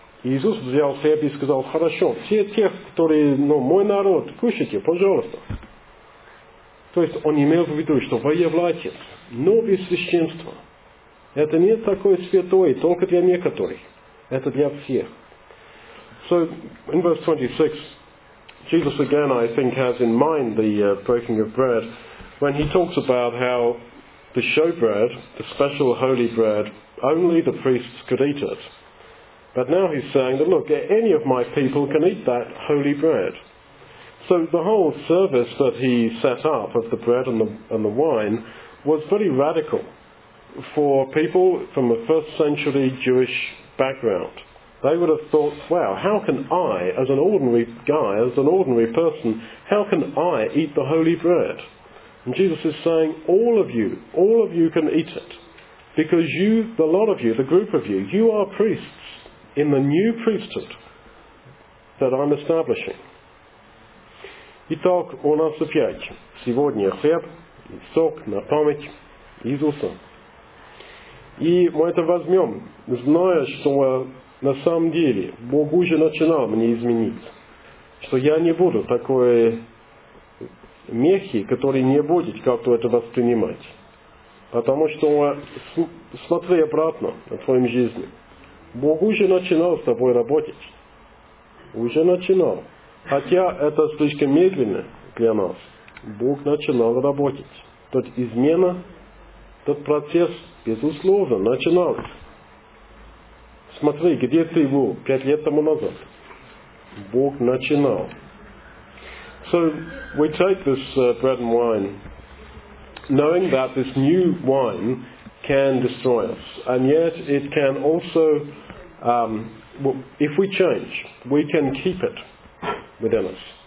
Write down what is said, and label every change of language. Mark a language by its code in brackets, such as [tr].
[ru] Иисус взял хлеб и сказал, хорошо, все тех, которые, ну, мой народ, кушайте, пожалуйста. То есть он имел в виду, что вы являетесь новое священство. Это не такое святое, только для некоторых. Это для всех. [en] So, in verse 26, Jesus again, I think, has in mind the breaking of bread when he talks about how the showbread, the special holy bread, only the priests could eat it. But now he's saying that, look, any of my people can eat that holy bread. So the whole service that he set up of the bread and the wine was very radical for people from a first century Jewish background. They would have thought, wow, how can I, as an ordinary guy, as an ordinary person, how can I eat the holy bread? And Jesus is saying, all of you can eat it. Because you, the lot of you, the group of you, you are priests in the new priesthood that I'm establishing. [ru] Итак, у нас опять сегодня хлеб и сок на память Иисуса. И мы это возьмем, зная, что на самом деле Бог уже начинал мне изменить, что я не буду такой мехи, который не будет как-то это воспринимать. Потому что, смотри обратно на твоем жизни, Бог уже начинал с тобой работать. Уже начинал. Хотя это слишком медленно для нас. Бог начинал работать. Тот измена, тот процесс, безусловно, начинался. Смотри, где ты был 5 лет тому назад. Бог начинал. [en] So, we take this bread and wine, knowing that this new wine can destroy us. And yet it can also, if we change, we can keep it within us.